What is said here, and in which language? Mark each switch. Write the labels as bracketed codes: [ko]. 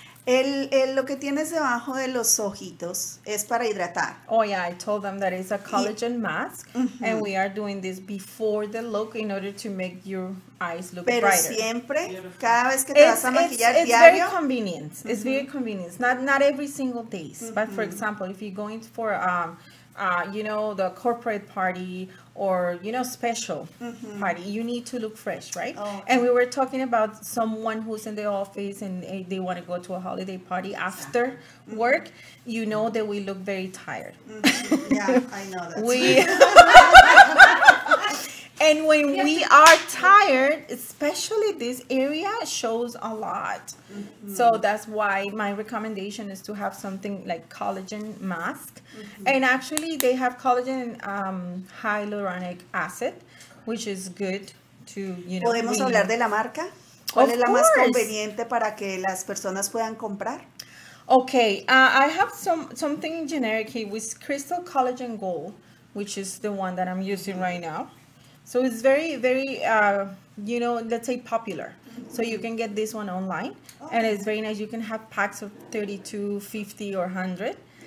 [es] El lo que tienes debajo de los ojitos es para hidratar. [en] Oh yeah, I told them that it's a collagen mask, mm-hmm. and we are doing this before the look in order to make your eyes look [es] pero [en] brighter. [es] Pero siempre, cada vez que te vas a maquillar diario. [en] It's very convenient. Mm-hmm. It's very convenient. Not every single day, mm-hmm. but for example, if you're going for you know, the corporate party or, you know, special mm-hmm. party, you need to look fresh, right? Oh. And we were talking about someone who's in the office and they want to go to a holiday party after mm-hmm. work. You know that we look very tired. Mm-hmm. Yeah, I know that. And when we are tired, especially this area shows a lot. Mm-hmm. So that's why my recommendation is to have something like collagen mask. Mm-hmm. And actually they have collagen hyaluronic acid, which is good to, you know. [es] ¿Podemos hablar de la marca? ¿Cuál es la más conveniente para que las personas puedan comprar? [en] Okay, I have something generic here with Crystal Collagen Gold, which is the one that I'm using mm-hmm. right now. So it's very, very, you know, let's say popular. Mm-hmm. So you can get this one online. Oh, and it's very nice. You can have packs of 32, 50, or 100.